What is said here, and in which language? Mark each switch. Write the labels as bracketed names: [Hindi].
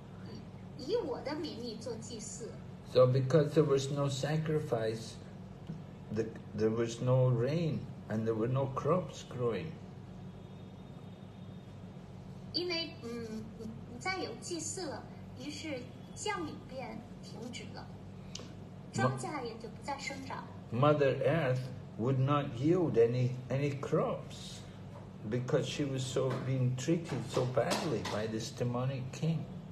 [Chinese] 他对婆罗门说：“如果你们想要做祭祀的话，你们应该以我的名义做祭祀。”So [English] because there was no sacrifice, there was no rain, and there were no crops growing. [Chinese] 因为不再有祭祀了，于是降雨便停止了，庄稼也就不再生长。Mother [English] Earth would not yield any crops because she was so being treated so badly by this demonic king.